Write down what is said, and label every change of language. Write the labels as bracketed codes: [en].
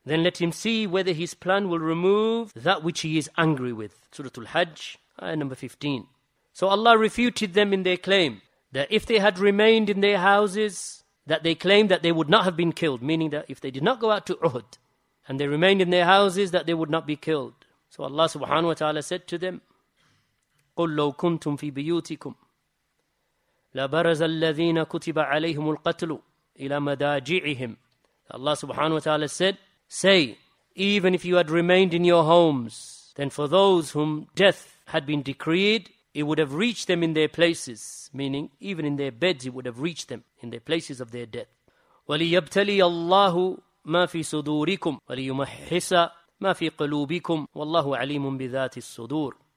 [en] Then let him see whether his plan will remove that which he is angry with. Surah Al-Hajj, ayah number 15. So Allah refuted them in their claim that if they had remained in their houses, that they claimed that they would not have been killed, meaning that if they did not go out to Uhud and they remained in their houses, that they would not be killed. So Allah subhanahu wa ta'ala said to them, [ar] قُلْ لَوْ كُنْتُمْ فِي بِيُوتِكُمْ لَبَرَزَ الَّذِينَ كُتِبَ عَلَيْهُمُ الْقَتْلُ إِلَى مَدَاجِعِهِمْ. [en] Allah subhanahu wa ta'ala said, say, even if you had remained in your homes, then for those whom death had been decreed, it would have reached them in their places, meaning even in their beds it would have reached them in their places of their death. [ar] وَلِيَبْتَلِيَ اللَّهُ مَا فِي صُدُورِكُمْ وَلِيُمَحِّسَ مَا فِي قُلُوبِكُمْ وَاللَّهُ عَلِيمٌ بِذَاتِ الصُّدُورِ.